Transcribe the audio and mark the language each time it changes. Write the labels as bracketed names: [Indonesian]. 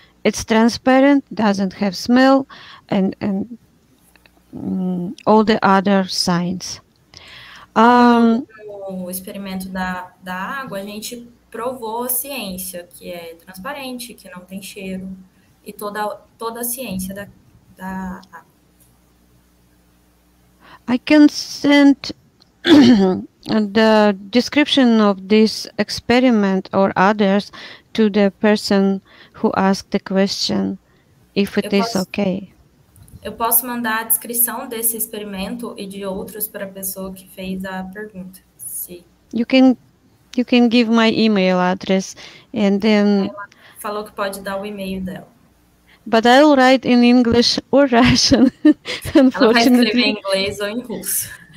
[English] It's transparent, doesn't have smell, and all the other signs. [Portuguese] No experimento da água, a gente provou a ciência, que é transparente, que não tem cheiro, e toda a ciência da água. [English] I can send the description of this experiment or others to the person who asked the question, if it is okay. [Portuguese] Eu posso mandar a descrição desse experimento e de outros para a pessoa que fez a pergunta. Sim. [English] You can give my email address and then. [Portuguese] Ela falou que pode dar o e-mail dela. [English] But I'll write in English or Russian, unfortunately. [Portuguese] Ela vai escrever em inglês ou em russo.